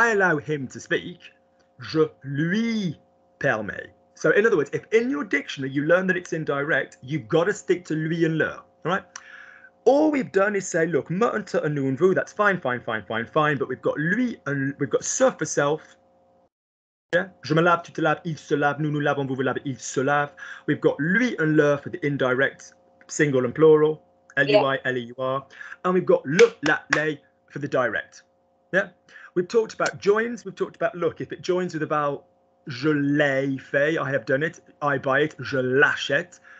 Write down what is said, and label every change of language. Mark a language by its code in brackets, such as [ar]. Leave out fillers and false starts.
[en] I allow him to speak. [fr] Je lui permets. [en] So in other words, if in your dictionary you learn that it's indirect, you've got to stick to lui and le, all right? All we've done is say, look, me and te and nous and vous, that's fine, but we've got lui and we've got se for self. Yeah? [fr] Je me lave, tu te laves, il se lave, nous nous lavons, vous vous lavez, il se lave. [en] We've got lui and le for the indirect single and plural, L-U-I, L-E-U-R. And we've got le, la, les for the direct. Yeah? We've talked about joins, we've talked about look, if it joins with a vowel, [fr] je l'ai fait, [en] I have done it, I buy it, [fr] je l'achète.